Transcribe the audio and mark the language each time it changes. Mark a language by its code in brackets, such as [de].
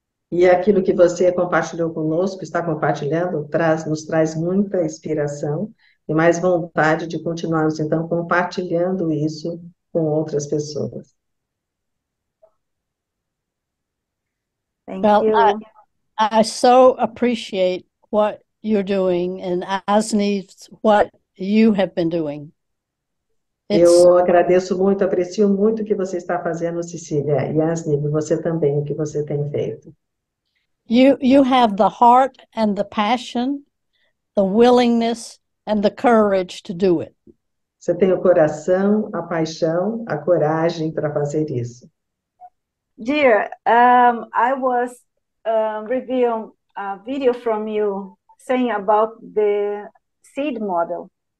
[pt] E aquilo que você compartilhou conosco, está compartilhando, nos traz muita inspiração e mais vontade de continuarmos, então, compartilhando isso com outras pessoas. [en] Thank Well, you. I so appreciate what you're doing and Aznive, what you have been doing. It's [pt] Eu agradeço muito, aprecio muito o que você está fazendo, Cecília. E Aznive, você também, o que você tem feito. [en] you have the heart and the passion, the willingness and the courage to do it. Você tem o coração, a paixão, a coragem para fazer isso. Dear, I was reviewing a video from you saying about the seed model